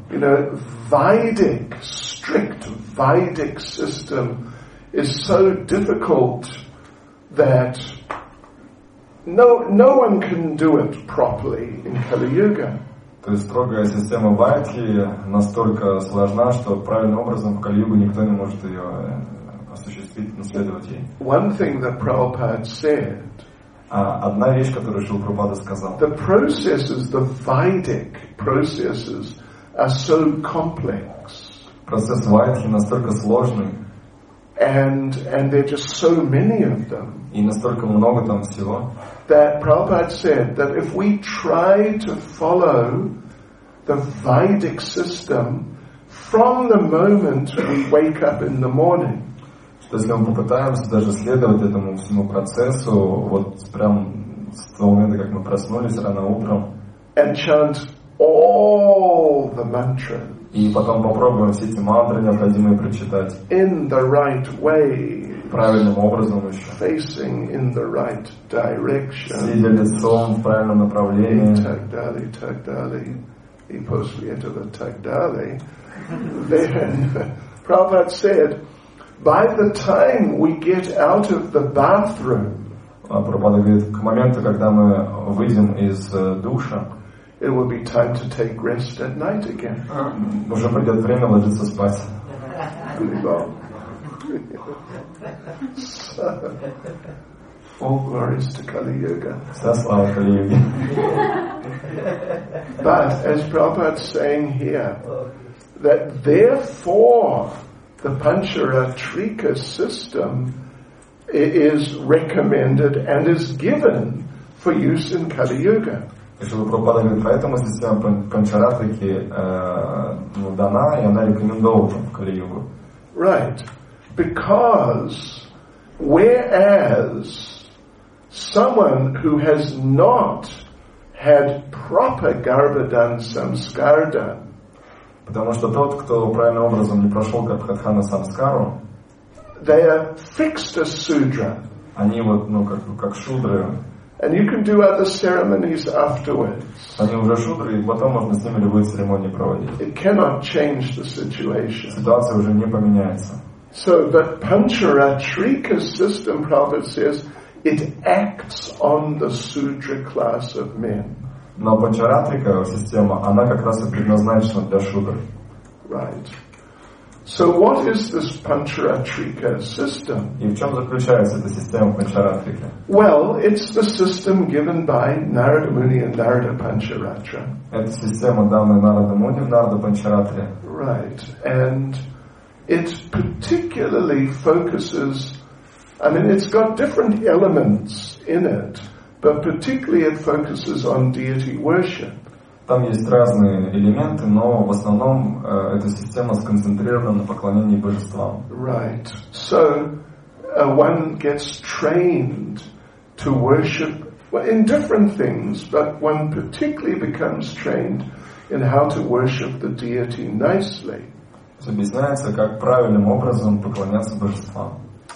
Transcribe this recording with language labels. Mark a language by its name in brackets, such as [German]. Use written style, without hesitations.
[English] You know, Vedic, strict Vedic system is so difficult that no one can do it properly in Kali Yuga. [Russian] То есть строгая система Вайдхи настолько сложна, что правильным образом в Кали Югу никто не может ее осуществить, наследовать ей. [English] One thing that Prabhupada said. [Russian] Одна вещь, которую Шрила Прабхупада сказал. [English] The processes, the Vedic processes, are so complex. [Russian] процесс вайтхи настолько сложный. [English] And there are just so many of them. [Russian] И настолько много там всего. [English] That Prabhupada said that if we try to follow the Vedic system from the moment we wake up in the morning. [Russian] Что если мы попытаемся даже следовать этому всему процессу, вот прям с того момента, как мы проснулись рано утром. [English] And chant all the mantras. [Russian] И потом попробуем все эти мантры необходимые прочитать. [English] In the right way. [Russian] Правильным образом еще. [English] Facing in the right direction. [Russian] Сидя лицом в правильном направлении. И так далее, и так далее. И после этого так далее. [English] Then, Prabhupada said, by the time we get out of the bathroom, [Russian] Прабхупада говорит, к моменту, когда мы выйдем из душа, [English] it will be time to take rest at night again. [Russian] Уже придет время ложиться спать. [English] All glories to Kali Yuga. [Russian] Вся слава Кали Юге. [English] But as Prabhupada is saying here, that therefore the Pancharatrika system is recommended and is given for use in Kali Yuga. [Russian] Прабхупада говорит, поэтому система Панчаратрики дана, и она рекомендована в Кали Югу. [English] Right. Because whereas someone who has not had proper Garbhadhan Samskara, [Russian] потому что тот, кто правильным образом не прошел Гарбхадхана Самскару, [English] they are fixed as Sudra. [Russian] Они вот, ну, как шудры. [English] And you can do other ceremonies afterwards. [Russian] Они уже шудры, и потом можно с ними любые церемонии проводить. [English] It cannot change the situation. [Russian] Ситуация уже не поменяется. [English] So the Pancharatrika system, Prabhupada says, it acts on the sudra class of men. [Russian] Но Панчаратрика система, она как раз и предназначена для шудр. [English] Right. So what is this Pancharatrika system? [Russian] И в чем заключается эта система Панчаратрика? [English] Well, it's the system given by Narada Muni and Narada Pancharatra. [Russian] Это система, данная Нарада Муни в Нарада Панчаратре. [English] Right. And it particularly focuses, I mean, it's got different elements in it, but particularly it focuses on deity worship. [Russian] Там есть разные элементы, но в основном эта система сконцентрирована на поклонении божествам. [English] Right. So one gets trained to worship in different things, but one particularly becomes trained in how to worship the deity nicely. [Russian] Объясняется, как правильным образом поклоняться божествам.